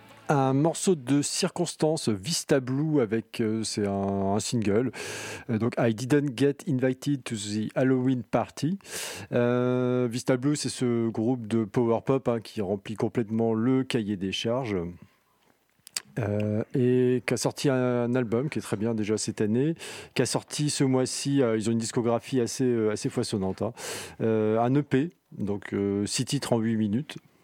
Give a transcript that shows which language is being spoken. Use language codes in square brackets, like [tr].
[fr] Un morceau de circonstance, Vista Blue, avec c'est un single. [en] Donc I didn't get invited to the Halloween party. [fr] Vista Blue, c'est ce groupe de power pop hein, qui remplit complètement le cahier des charges et qui a sorti un album qui est très bien déjà cette année. Qui a sorti ce mois-ci, ils ont une discographie assez foisonnante. Hein. Un EP, donc 6 titres en 8 minutes.